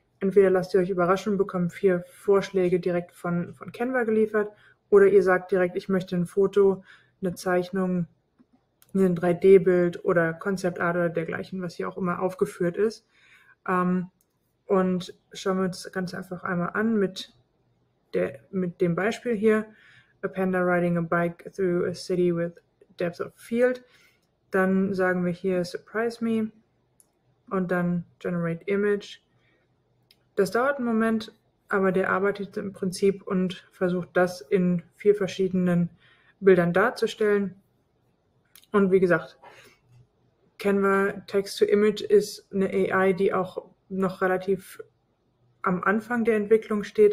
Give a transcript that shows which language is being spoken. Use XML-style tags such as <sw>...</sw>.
<de>Entweder lasst ihr euch überraschen, bekommt 4 Vorschläge direkt von Canva geliefert oder ihr sagt direkt, ich möchte ein Foto, eine Zeichnung, ein 3D-Bild oder Concept Art oder dergleichen, was hier auch immer aufgeführt ist. Und schauen wir uns das Ganze einfach einmal an mit dem Beispiel hier.</de> <en>A panda riding a bike through a city with depth of field.</en> <de>Dann sagen wir hier</de> <en>surprise me</en> <de>und dann</de> <en>generate image.</en> <de>Das dauert einen Moment, aber der arbeitet im Prinzip und versucht das in 4 verschiedenen Bildern darzustellen. Und wie gesagt, Canva Text to Image ist eine AI, die auch noch relativ am Anfang der Entwicklung steht.</de>